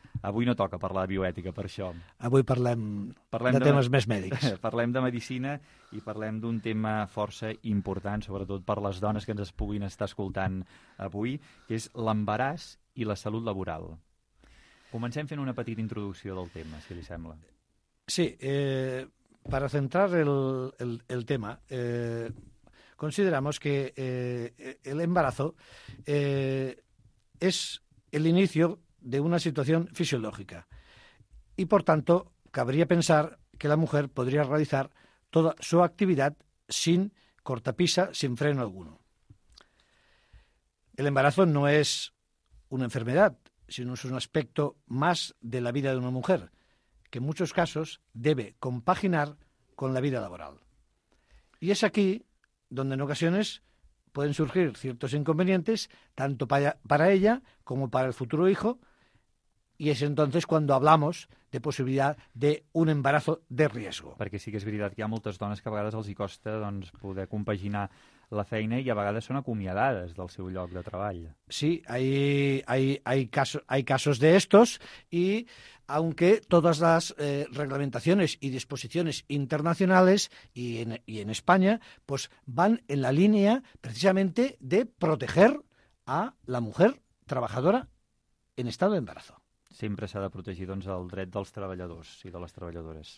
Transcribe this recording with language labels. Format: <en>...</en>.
<ca>Avui no toca parlar de bioètica, per això. Avui parlem de temes més mèdics. Parlem de medicina i parlem d'un tema força important, sobretot per les dones que ens puguin estar escoltant avui, que és l'embaràs i la salut laboral. Comencem fent una petita introducció del tema, si li sembla.</ca> <es>Sí,</es> <ca>per centrar el tema,</ca> <es>consideramos que el embarazo es el inicio de una situación fisiológica y por tanto cabría pensar que la mujer podría realizar toda su actividad sin cortapisa, sin freno alguno. El embarazo no es una enfermedad, sino es un aspecto más de la vida de una mujer, que en muchos casos debe compaginar con la vida laboral. Y es aquí donde en ocasiones pueden surgir ciertos inconvenientes, tanto para ella como para el futuro hijo, y es entonces cuando hablamos de</es> <ca>possibilitat d'un embaràs de risc. Perquè sí que és veritat que hi ha moltes dones que a vegades els hi costa doncs, poder compaginar la feina i a vegades són acomiadades del seu lloc de treball.</ca> <es>Sí, hay casos de estos y aunque todas las reglamentaciones y disposiciones internacionales y en España pues van en la línea precisamente de proteger a la mujer trabajadora en estado de embarazo.</es> <ca>Sempre s'ha de protegir doncs, el dret dels treballadors i de les treballadores.</ca>